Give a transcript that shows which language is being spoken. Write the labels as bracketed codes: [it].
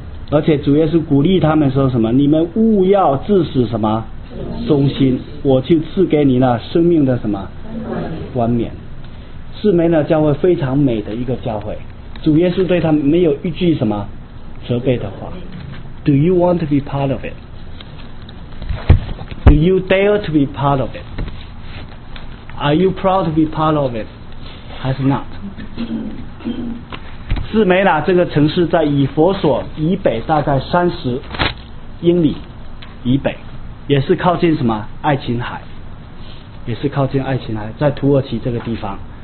[zh] 而且主耶稣鼓励他们说什么？你们勿要致死什么忠心，我就赐给你那生命的什么冠冕。士美那教会非常美的一个教会，主耶稣对他们没有一句什么责备的话。 [en] Do you want to be part of it? Do you dare to be part of it? Are you proud to be part of it? [zh] 还是 [en] not? [zh] 士美那这个城市在以弗所以北大概30英里以北，也是靠近什么爱琴海，也是靠近爱琴海，在土耳其这个地方。